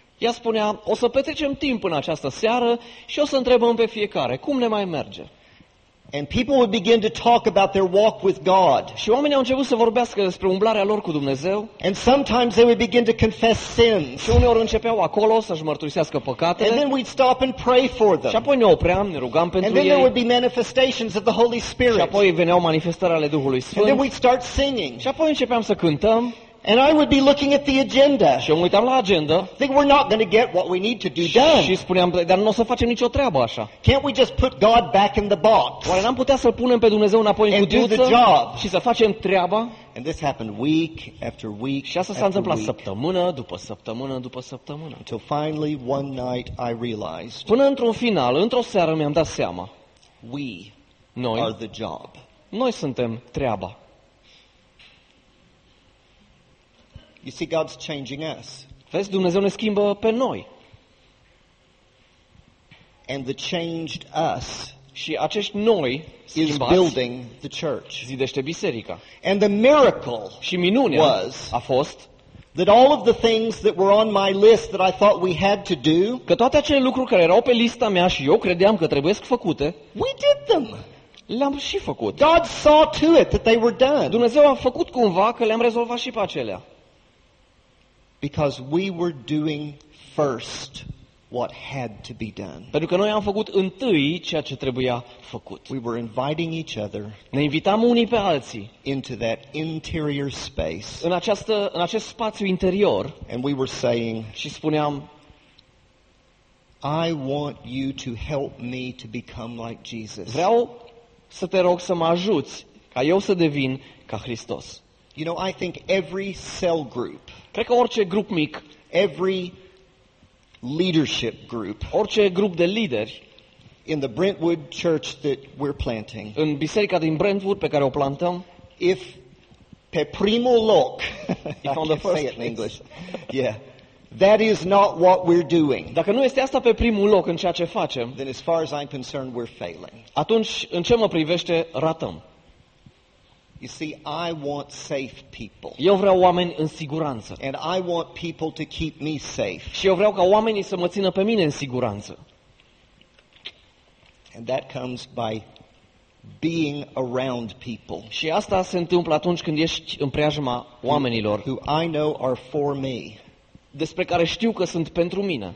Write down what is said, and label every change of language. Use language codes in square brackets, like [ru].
[ro] Ea spunea, o să petrecem timp în această seară și o să întrebăm pe fiecare cum ne mai merge. [en] And people would begin to talk about their walk with God. [ro] Și oamenii au început să vorbească despre umblarea lor cu Dumnezeu. [en] And sometimes they would begin to confess sins. [ro] Și uneori începeau acolo să-și mărturisească păcatele. [en] And then we'd stop and pray for them. [ro] Și apoi ne opream, ne rugam pentru ei. [en] And then there would be manifestations of the Holy Spirit. [ro] Și apoi veneau manifestări ale Duhului Sfânt. [en] And then we'd start singing. [ro] Și apoi începeam să cântăm. [en] And I would be looking at the agenda. [ro] Și mă uitam la agenda. [en] Think we're not going to get what we need to do done. [ro] Și spuneam, dar nu o să facem nicio treabă așa. [en] Can't we just put God back in the box? [ro] Oare n-am putea să-l punem pe Dumnezeu înapoi în cutiuță și să facem treaba? [en] And this happened week after week. [ro] Și asta s-a întâmplat săptămână după săptămână după săptămână. [en] Until finally one night I realized. [ro] Până într-un final, într-o seară mi-am dat seama. [en] We are the job. [ro] Noi suntem treaba. [en] You see, God's changing us. [ro] Vezi, Dumnezeu ne schimbă pe noi. [en] And the changed us. [ro] Și acești noi [en] is building the church. [ro] Zidește biserica. [en] And the miracle [ro] și minunea [en] was [ro] a fost [en] that all of the things that were on my list that I thought we had to do, [ro] că toate acele lucruri care erau pe lista mea și eu credeam că trebuie făcute, [en] we did them. [ro] Le-am și făcut. [en] God saw to it that they were done. [ro] Dumnezeu a făcut cumva că le-am rezolvat și pe acelea. [en] Because we were doing first what had to be done. [ro] Pentru că noi am făcut întâi ceea ce trebuia făcut. [en] We were inviting each other. [ro] Ne invitam unii pe alții [en] into that interior space. [ro] În acest spațiu interior. [en] And we were saying, [ro] și spuneam, [en] I want you to help me to become like Jesus. [ro] Vreau să te rog să mă ajuți ca eu să devin ca Hristos. [en] You know, I think every cell group, [ro] cred că orice grup mic, [en] every leadership group, [ro] orice grup de lideri [en] in the Brentwood church that we're planting, [ro] în biserica din Brentwood pe care o plantăm, [en] if [ro] pe primul loc, [en] if on the first place, in English, yeah, that is not what we're doing, [ro] dacă nu este asta pe primul loc în ceea ce facem, [en] then as far as I'm concerned, we're failing. [ro] Atunci, în ce mă privește, ratăm. [en] You see, I want safe people. [ro] Eu vreau oameni în siguranță. [en] And I want people to keep me safe. [ro] Și eu vreau ca oamenii să mă țină pe mine în siguranță. [en] And that comes by being around people. [ro] Și asta se întâmplă atunci când ești în preajma oamenilor. [en] Who I know are for me. [ro] Despre care știu că sunt pentru mine.